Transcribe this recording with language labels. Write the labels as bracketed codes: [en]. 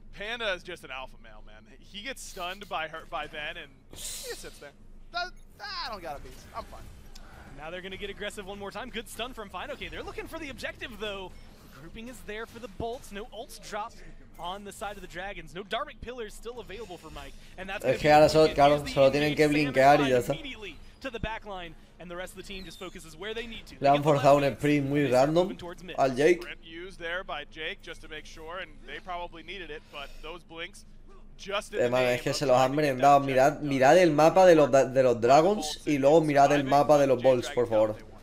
[en] Panda is just an alpha male, man. He gets stunned by Ben and he sits there. I don't got a beast. I'm fine. Now they're going to get aggressive one more time. Good stun from Fine. Okay, they're looking for the objective, though. The grouping is there for the Bolts. No ults dropped on the side of the Dragons. No Dharmic Pillars still available for Mike. And that's [es] es que ahora solo, claro, solo tienen que blinkear y ya está. [en] To the back line, and the rest of the team just focuses where they need to. [es] Le han forzado un sprint muy random al Jake. [en] Used there by Jake just to make sure, and they probably needed it, but those blinks just [es] es que se los han merendado. Mirad el mapa de los Dragons y luego mirad el mapa de los Bolts, por favor.